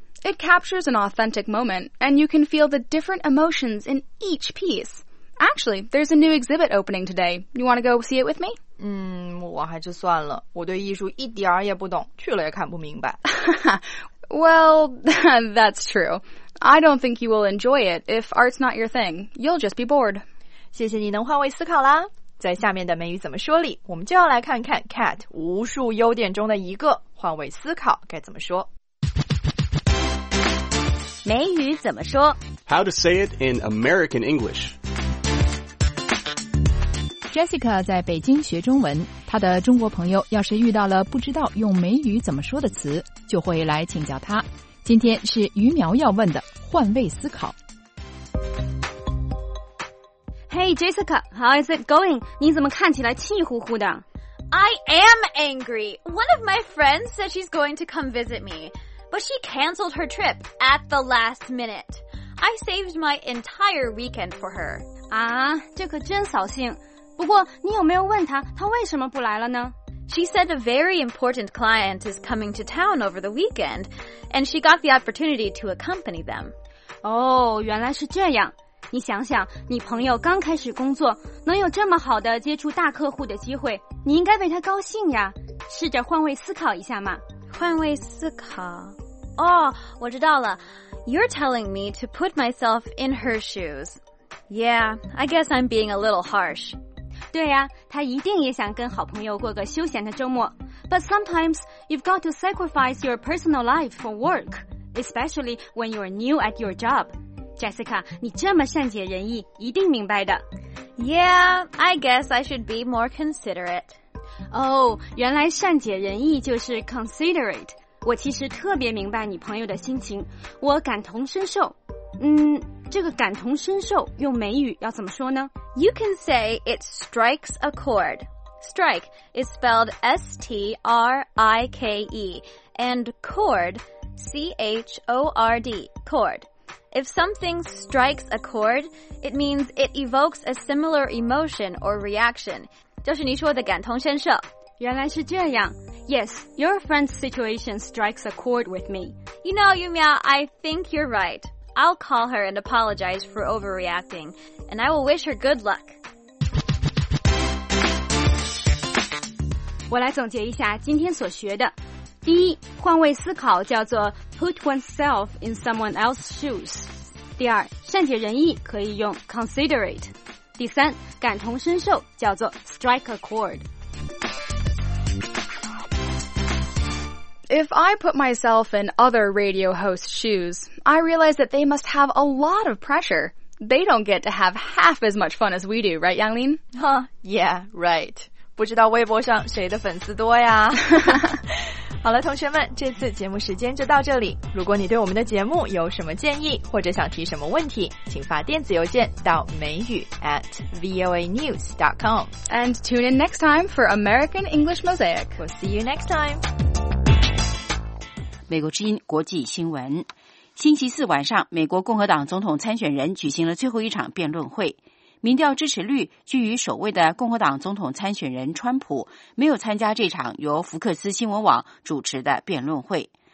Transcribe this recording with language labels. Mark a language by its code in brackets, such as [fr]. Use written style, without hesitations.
[en] It captures an authentic moment, and you can feel the different emotions in each piece. Actually, there's a new exhibit opening today. You want to go see it with me? [zh] 我还是算了，我对艺术一点也不懂，去了也看不明白。 [en] Well, that's true. I don't think you will enjoy it if art's not your thing. You'll just be bored. [zh] 谢谢你能换位思考啦。在下面的美语怎么说里，我们就要来看看 Cat 无数优点中的一个，换位思考该怎么说。美语怎么说？ [en] How to say it in American English. [zh] Jessica 在北京学中文，她的中国朋友要是遇到了不知道用美语怎么说的词，就会来请教她。今天是于苗要问的换位思考。 [en] Hey, Jessica, how is it going? [zh] 你怎么看起来气呼呼的? [en] I am angry. One of my friends said she's going to come visit me, but she canceled her trip at the last minute. I saved my entire weekend for her. [zh] 啊,这可真扫兴。不过你有没有问她,她为什么不来了呢? [en] She said a very important client is coming to town over the weekend, and she got the opportunity to accompany them. [zh] 哦,原来是这样。你想想，你朋友刚开始工作，能有这么好的接触大客户的机会，你应该为他高兴呀。试着换位思考一下嘛。换位思考？哦，我知道了。 [en] You're telling me to put myself in her shoes. Yeah, I guess I'm being a little harsh. [zh] 对呀，他一定也想跟好朋友过个休闲的周末。 [en] But sometimes you've got to sacrifice your personal life for work, especially when you're new at your job. [zh] Jessica, 你这么善解人意，一定明白的。 [en] Yeah, I guess I should be more considerate. [zh] 哦，原来善解人意就是 considerate。我其实特别明白你朋友的心情，我感同身受。这个感同身受用美语要怎么说呢？ [en] You can say it strikes a chord. Strike is spelled S-T-R-I-K-E, and chord, C-H-O-R-D, chord. If something strikes a chord, it means it evokes a similar emotion or reaction. [zh] 就是你说的感同身受。原来是这样。 [en] Yes, your friend's situation strikes a chord with me. You know, Yumiao, I think you're right. I'll call her and apologize for overreacting, and I will wish her good luck. [zh] 我来总结一下今天所学的。第一，换位思考叫做 [en] put oneself in someone else's shoes。 [zh] 第二，善解人意可以用 considerate。第三，感同身受叫做 [en] strike a chord。 If I put myself in other radio hosts' shoes, I realize that they must have a lot of pressure. They don't get to have half as much fun as we do, right, Yanglin? Yeah, right. [zh] 不知道微博上谁的粉丝多呀？好了，同学们，这次节目时间就到这里。如果你对我们的节目有什么建议，或者想提什么问题，请发电子邮件到美语@voanews.com. [en] And tune in next time for American English Mosaic. We'll see you next time. [zh] 美国之音国际新闻。星期四晚上，美国共和党总统参选人举行了最后一场辩论会。民调支持率居于首位的共和党总统参选人川普没有参加这场由福克斯新闻网主持的辩论会。